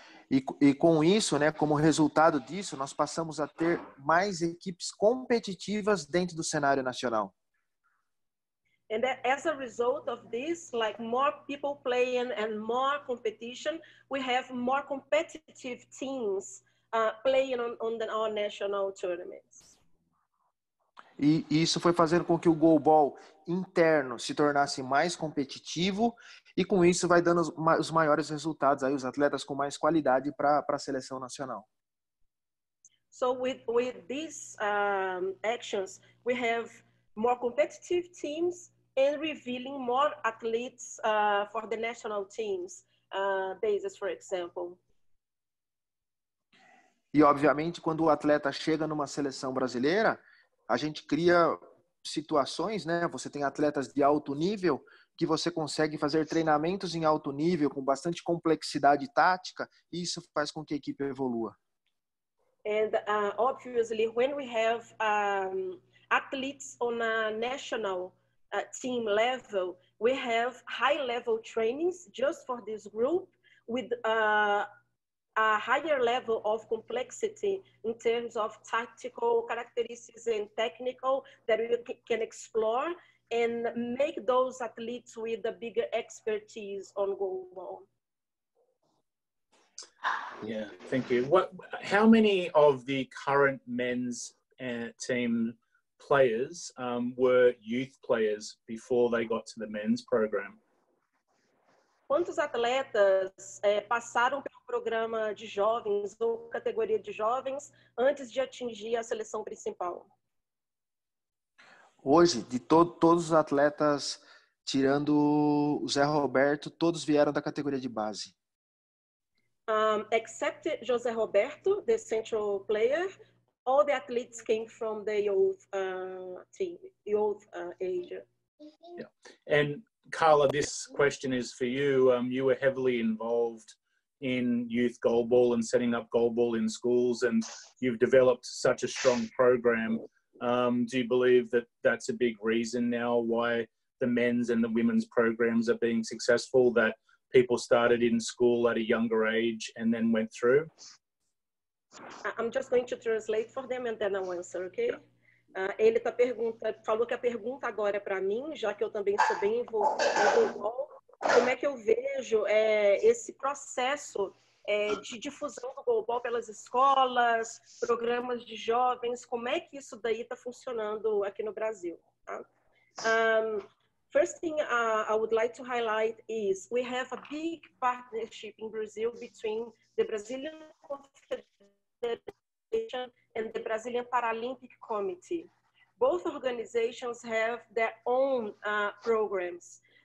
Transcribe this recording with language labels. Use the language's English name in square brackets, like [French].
[Portuguese] E com isso, né, como resultado disso, nós passamos a ter mais equipes competitivas dentro do cenário nacional. [English] And as a result of this, like more people playing and more competition, we have more competitive teams playing on our national tournaments. [Portuguese] E isso foi fazendo com que o goalball interno se tornasse mais competitivo e com isso vai dando os maiores resultados aí, os atletas com mais qualidade para a seleção nacional. [English] So with these actions, we have more competitive teams and revealing more athletes for the national teams basis, for example. [Portuguese] E obviamente, quando o atleta chega numa seleção brasileira, a gente cria situações, né? Você tem atletas de alto nível que você consegue fazer treinamentos em alto nível com bastante complexidade tática, e isso faz com que a equipe evolua. [English] And obviously, when we have athletes on a national team level, we have high-level trainings just for this group with a higher level of complexity in terms of tactical characteristics and technical that we can explore and make those athletes with a bigger expertise on goalball. Yeah, thank you. How many of the current men's team players were youth players before they got to the men's program? [Portuguese] Quantos atletas passaram pelo programa de jovens ou categoria de jovens antes de atingir a seleção principal? Hoje, de todos os atletas, tirando o Zé Roberto, todos vieram da categoria de base. [English] Except José Roberto, the central player, all the athletes came from the youth age. Yeah. And Carla, this question is for you. You were heavily involved in youth goalball and setting up goalball in schools, and you've developed such a strong program. Do you believe that that's a big reason now why the men's and the women's programs are being successful, that people started in school at a younger age and then went through? I'm just going to translate for them and then I'll answer, okay? Yeah. [Portuguese] Ele tá perguntando, falou que a pergunta agora é para mim, já que eu também sou bem envolvida no futebol. Como é que eu vejo esse processo de difusão do futebol pelas escolas, programas de jovens, como é que isso daí está funcionando aqui no Brasil? Tá? [English] First thing I would like to highlight is we have a big partnership in Brazil between the Brazilian Confederation and the Brazilian Paralympic Committee. Both organizations have their own programs.